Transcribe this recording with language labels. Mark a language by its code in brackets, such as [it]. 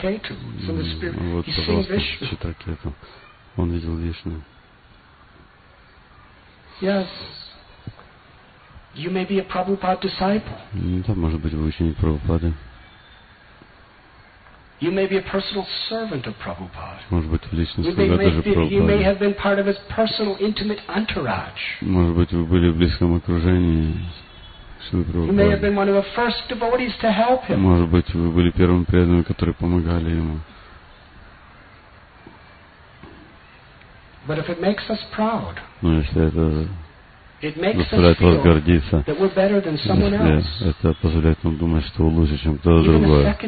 [ru] Вот, пожалуйста, Читракету. Он видел Вишну. [en] You may be a Prabhupada disciple. [ru] Да, может быть, вы ученик Прабхупады. [en] You may be a personal servant of Prabhupada. [ru] Может быть, личный слуга даже Прабхупады. [en] You may have been part of his personal intimate entourage. [ru] Может быть, вы были в близком окружении Шрилы Прабхупады. [en] You may have been one of the first devotees to help him. [ru] Может быть, вы были первым преданным, которые помогали ему. [en] But if it makes us proud. [ru] Но если это заставляет вас гордиться, если это позволяет нам думать, что вы лучше, чем кто-то другой.